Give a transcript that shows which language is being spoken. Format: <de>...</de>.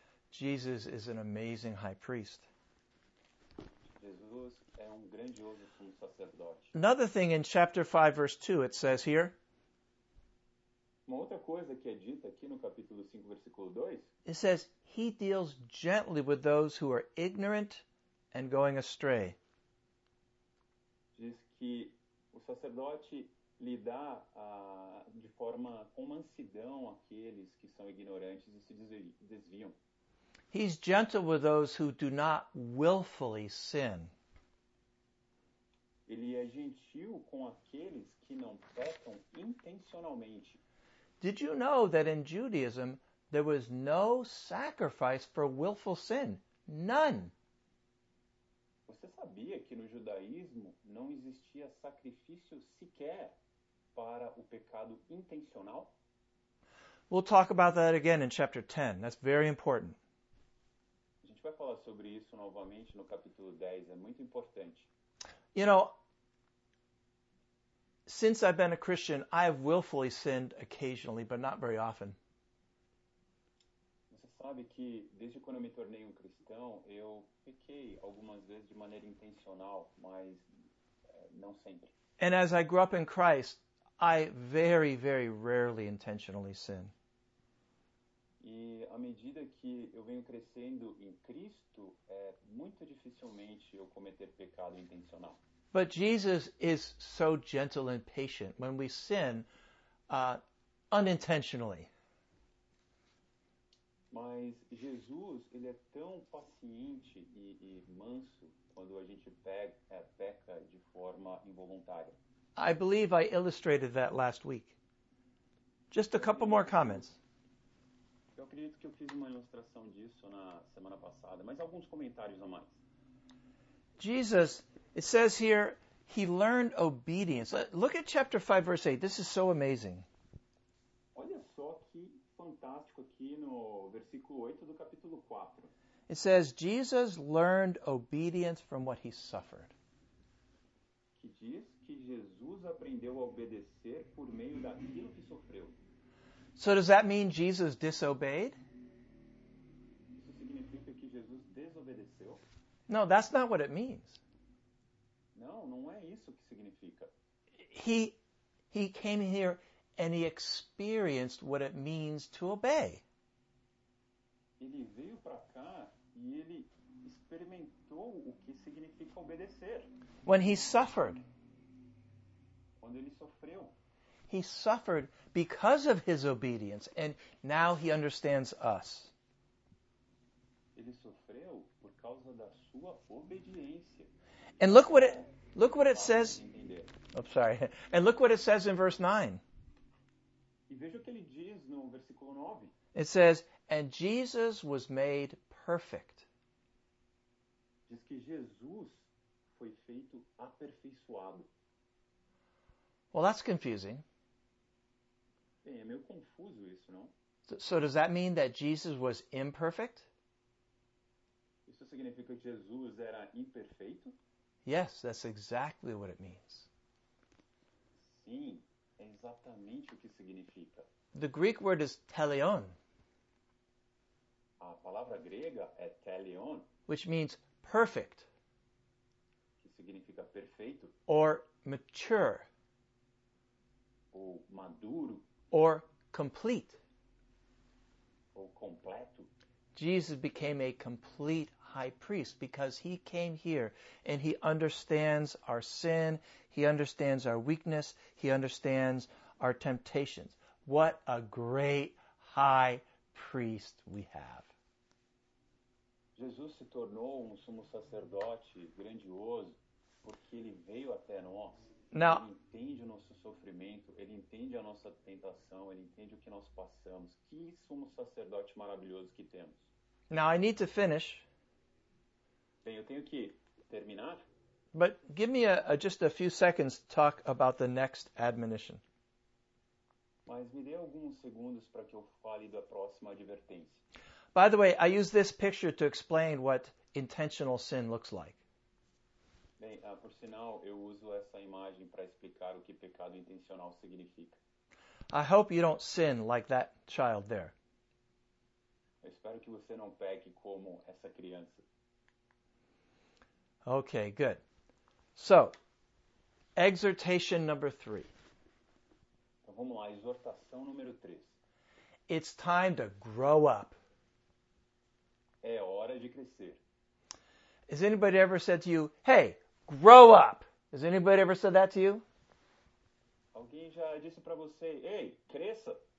<en>Jesus is an amazing high priest.</en> <pt>Jesus é um grandioso sumo sacerdote.</pt> <en>Another thing in chapter 5, verse 2, it says here.</en> <pt>Uma outra coisa que é dita aqui no capítulo 5, versículo 2.</pt> <en>It says, he deals gently with those who are ignorant and going astray.</en> <pt>Diz que o sacerdote lida de forma com mansidão aqueles que são ignorantes e se desviam.</pt> <en>He's gentle with those who do not willfully sin.</en> <pt>Ele é gentil com aqueles que não pecam intencionalmente.</pt> <en>Did you know that in Judaism there was no sacrifice for willful sin? None.</en> <pt>Você sabia que no judaísmo não existia sacrifício sequer para o pecado intencional?</pt> <en>We'll talk about that again in chapter 10. That's very important.</en> <pt>A gente vai falar sobre isso novamente no capítulo 10. É muito importante.</pt> <en>You know, since I've been a Christian, I have willfully sinned occasionally, but not very often.</en> <pt>Você sabe que desde quando eu me tornei um cristão, eu pequei algumas vezes de maneira intencional, mas não sempre.</pt> <en>And as I grew up in Christ, I very, very rarely intentionally sin.</en> <pt>E à medida que eu venho crescendo em Cristo, muito dificilmente eu cometer pecado intencional.</pt> <en>But Jesus is so gentle and patient when we sin unintentionally.</en> <pt>Mas Jesus, ele é tão paciente e manso quando a gente peca de forma involuntária.</pt> <en>I believe I illustrated that last week. Just a couple more comments.</en> <pt>Eu acredito que eu fiz uma ilustração disso na semana passada, mas alguns comentários a mais.</pt> <en>Jesus, it says here, he learned obedience. Look at chapter 5, verse 8. This is so amazing.</en> <pt>Olha só que fantástico aqui no versículo 8 do capítulo 4.</pt> <en>It says, Jesus learned obedience from what he suffered.</en> <pt>Que diz que Jesus aprendeu a obedecer por meio daquilo que sofreu.</pt> <en>So does that mean Jesus disobeyed?</en> <pt>Isso significa que Jesus desobedeceu?</pt> <en>No, that's not what it means.</en> <pt>Não é isso que significa.</pt> <en>He came here and he experienced what it means to obey.</en> <pt>Ele veio para cá e ele experimentou o que significa obedecer.</pt> <en>When he suffered.</en> <pt>Quando ele sofreu.</pt> <en>He suffered because of his obedience, and now he understands us.</en> <pt>Ele sofreu por causa da sua obediência.</pt> <en>And look what it says. Oops, sorry. And look what it says in verse 9.</en> <pt>E veja o que ele diz no versículo 9.</pt> <en>It says, and Jesus was made perfect.</en> <pt>Diz que Jesus foi feito aperfeiçoado.</pt> <en>Well, that's confusing.</en> <pt>Bem, é meio confuso isso, não?</pt> <en>So does that mean that Jesus was imperfect?</en> <pt>Isso significa que Jesus era imperfeito?</pt> <en>Yes, that's exactly what it means.</en> <pt>Sim, é exatamente o que significa.</pt> <en>The Greek word is teleon.</en> <pt>A palavra grega é teleon,</pt> <en>which means perfect.</en> <pt>Que significa perfeito.</pt> <en>Or mature.</en> <pt>Ou maduro.</pt> <en>Or complete.</en> <pt>Ou completo.</pt> <en>Jesus became a complete high priest because he came here and he understands our sin, he understands our weakness, he understands our temptations. What a great high priest we have.</en> <pt>Jesus se tornou um sumo sacerdote grandioso porque ele veio até nós.</pt> <en>Now,</en> <pt>ele entende o nosso sofrimento, ele entende a nossa tentação, ele entende o que nós passamos. Que sumo sacerdote maravilhoso que temos.</pt> <en>Now I need to finish.</en> <pt>Bem, eu tenho que terminar.</pt> <en>But give me just a few seconds to talk about the next admonition.</en> <pt>Mas me dê alguns segundos para que eu fale da próxima advertência.</pt> <en>By the way, I use this picture to explain what intentional sin looks like.</en> <pt>Bem, por sinal, eu uso essa imagem para explicar o que pecado intencional significa.</pt> <en>I hope you don't sin like that child there.</en> <pt>Eu espero que você não peque como essa criança.</pt> <en>Okay, good. So, exhortation number 3.</en> <pt>Então vamos lá, exortação número 3.</pt> <en>It's time to grow up.</en> <pt>É hora de crescer.</pt> <en>Has anybody ever said to you, hey, grow up? Has anybody ever said that to you?</en> <pt>Alguém já disse para você, hey, cresça?</pt>